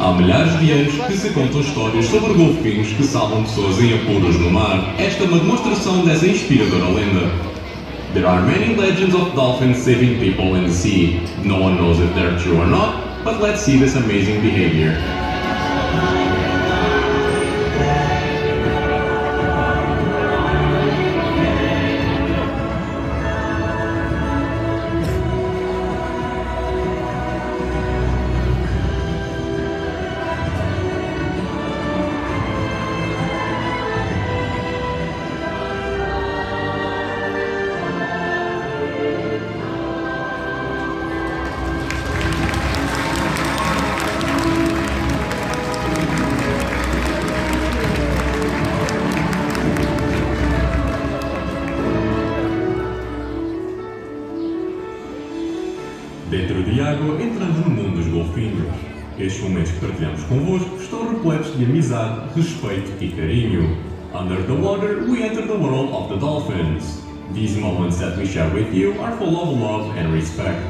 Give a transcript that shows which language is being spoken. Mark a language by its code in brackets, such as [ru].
[pt] rádios que se contam histórias sobre golfinhos que salvam pessoas em apuros no mar, esta é uma demonstração dessa inspiradora lenda. [en] There are many legends of dolphins saving people in the sea. No one knows if they're true or not, but let's see this amazing behavior. [pt] Dentro de água, entramos no mundo dos golfinhos. Estes momentos que partilhamos convosco estão repletos de amizade, respeito e carinho. [en] Under the water, we enter the world of the dolphins. These moments that we share with you are full of love and respect.